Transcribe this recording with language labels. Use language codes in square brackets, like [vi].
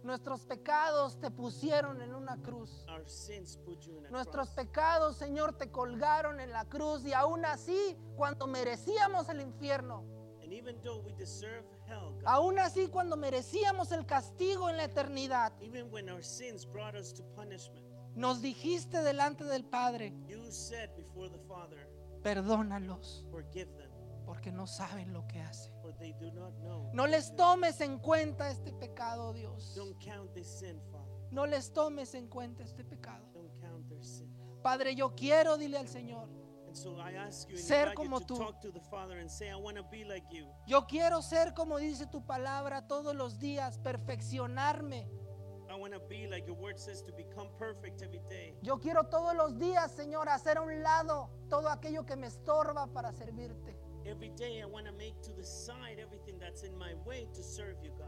[es] Nuestros pecados te pusieron en una cruz. [en] Our sins put you in a [es] Nuestros [en] cross. [es] Pecados, Señor, te colgaron en la cruz. Y aún así, cuando merecíamos el infierno. [en] And even though we deserve hell, God, [es] aún así, cuando merecíamos el castigo en la eternidad. [en] Even when our sins brought us to punishment. [es] Nos dijiste delante del Padre, [en] you said before the Father, [es] perdónalos, [en] forgive them, [es] porque no saben lo que hacen. [en] For they do not know. [es] No les tomes en cuenta este pecado, Dios. [en] Don't count this sin, Father. [es] No les tomes en cuenta este pecado. [en] Don't count their sin. [es] Padre, yo quiero, dile al Señor, [en] and so I ask you, [es] ser como tú. [en] Talk to the Father and say, I want to be like you. [es] Yo quiero ser como dice tu palabra todos los días, perfeccionarme. [en] I want to be like your word says to become perfect every day. [es] Yo quiero todos los días, Señor, hacer a un lado todo aquello que me estorba para servirte. [en] Every day I want to make to the side everything that's in my way to serve you, God.